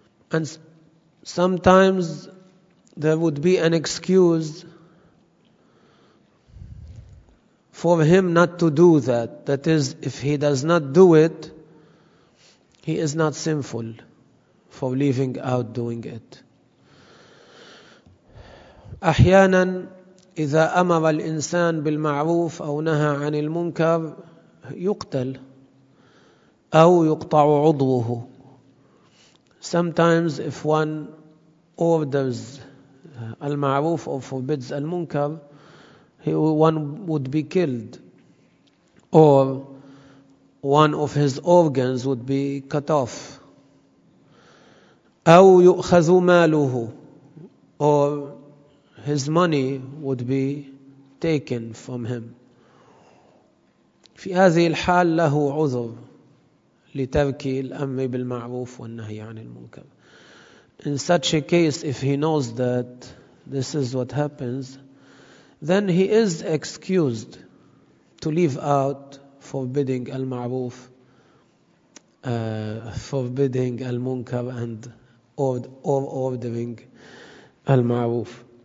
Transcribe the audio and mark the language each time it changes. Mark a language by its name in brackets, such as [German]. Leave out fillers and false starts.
[English] And sometimes there would be an excuse for him not to do that. That is, if he does not do it, he is not sinful for leaving out doing it. [Arabic] أحيانا إذا أمر الإنسان بالمعروف أو نهى عن المنكر يقتل. أو يقطع عضوه. [English] Sometimes if one orders المعروف or forbids المنكر, one would be killed or one of his organs would be cut off. [Arabic] أو يؤخذ ماله [English] or his money would be taken from him. [Arabic] في هذه الحال له عذر لترك الأمر بالمعروف والنهي عن المنكر. [English] In such a case, if he knows that this is what happens, then he is excused to leave out forbidding المعروف, forbidding المنكر and ordering المعروف.